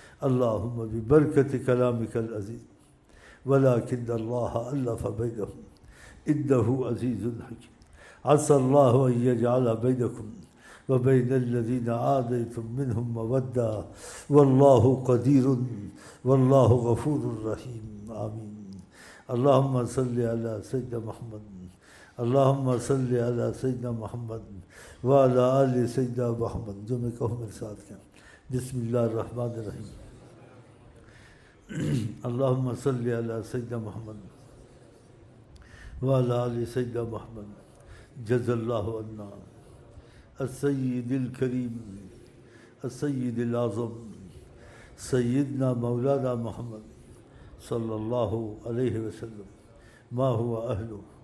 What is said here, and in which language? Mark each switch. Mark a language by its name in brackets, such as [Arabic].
[Arabic] اللهم ببركة كلامك العزيز، ولكن الله ألف بينهم إنه عزيز حكيم، عسى الله أن يجعل بينكم وبين الذين عاديتم منهم مودة، والله قدير والله غفور رحيم. آمين. اللهم صل على سيدنا محمد، اللهم صل على سيدنا محمد وعلى آل سيدنا محمد. [Urdu] جو میں کہوں میرے ساتھ کیا، [Arabic] بسم اللہ الرحمن الرحیم. اللهم صل على سيدنا محمد وعلى آل سيدنا محمد. جزا الله عنا السيد الكريم السيد العظم سيدنا مولانا محمد صلى الله عليه وسلم ما هو أهله.